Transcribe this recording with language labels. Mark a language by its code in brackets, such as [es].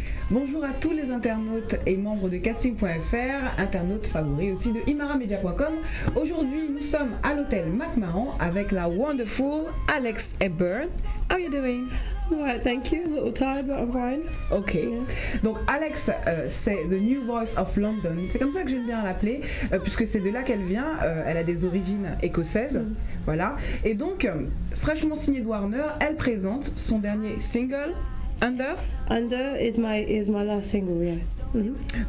[fr] Bonjour à tous les internautes et membres de casting.fr, internautes favoris aussi de imaramedia.com. Aujourd'hui, nous sommes à l'hôtel MacMahon avec la wonderful Alex Hepburn. [en] How are you doing? Alright, thank you. A little tired, but I'm fine. Ok. [fr] Donc Alex, c'est [en] the new voice of London. [fr] C'est comme ça que j'aime bien l'appeler, puisque c'est de là qu'elle vient. Elle a des origines écossaises. Voilà. Et donc, fraîchement signée de Warner, elle présente son dernier single. [en] Under is my last single, yeah. Mm-hmm.